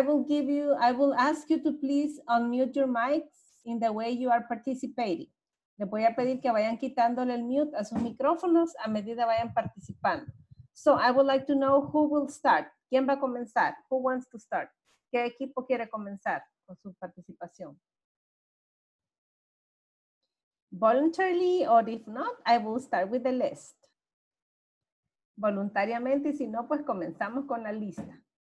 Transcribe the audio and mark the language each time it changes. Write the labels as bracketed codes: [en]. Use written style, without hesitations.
[en] I will ask you to please unmute your mics in the way you are participating. [es] Le voy a pedir que vayan quitándole el mute a sus micrófonos a medida vayan participando. [en] So I would like to know who will start. [es] ¿Quién va a comenzar? [en] Who wants to start? [es] ¿Qué equipo quiere comenzar con su participación? [en] Voluntarily, or if not, I will start with the list. [es] Voluntariamente, y si no, pues comenzamos con la lista.